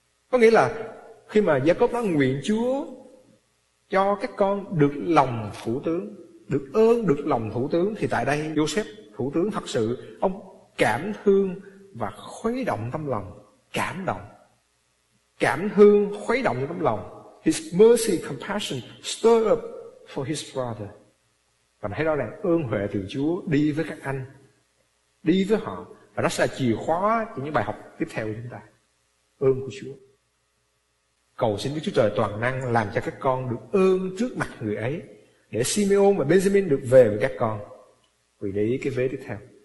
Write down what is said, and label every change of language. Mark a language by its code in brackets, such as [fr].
[vi] Có nghĩa là khi mà Gia-cốp nói nguyện Chúa cho các con được lòng thủ tướng, được ơn được lòng thủ tướng, thì tại đây Joseph, thủ tướng thật sự, ông cảm thương và khuấy động tâm lòng, cảm động. Cảm thương, khuấy động tâm lòng. [en] His mercy, compassion stir up for his brother. [vi] Và thấy đó là ơn huệ từ Chúa đi với các anh, đi với họ. Và đó sẽ là chìa khóa cho những bài học tiếp theo của chúng ta. Ơn của Chúa. Cầu xin Đức Chúa Trời toàn năng làm cho các con được ơn trước mặt người ấy, để Simeon và Benjamin được về với các con. Quý vị để ý cái vế tiếp theo.